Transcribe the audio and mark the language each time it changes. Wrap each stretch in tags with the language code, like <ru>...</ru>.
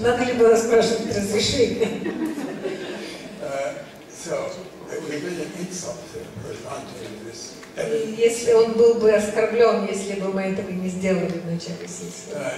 <ru>Надо ли было спрашивать разрешение?</ru> <en>So it would have been an insult to respond to this.</en> <ru>Если он был бы оскорблен, если бы мы этого не сделали в начале сессии.</ru>